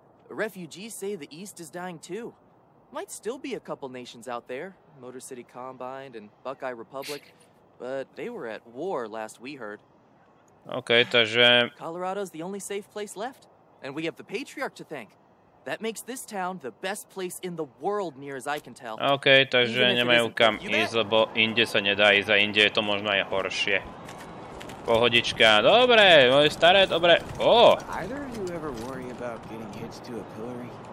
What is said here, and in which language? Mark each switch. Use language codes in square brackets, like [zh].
[en] Refugees say the East is dying too. Might still be a couple nations out there, Motor City Combined and Buckeye Republic, but they were at war last we heard. [sk] Okay, takže... [en] Colorado's the only safe place left, and we have the Patriarch to thank. That makes this town the best place in the world, near as I can tell. [sk] Okay, takže nemajú kam ísť, lebo inde sa nedá ísť a inde je to možno aj horšie. Pohodička, dobre, moje staré, dobre. Ó! [en] Either of you ever worry about getting hits to a pillory?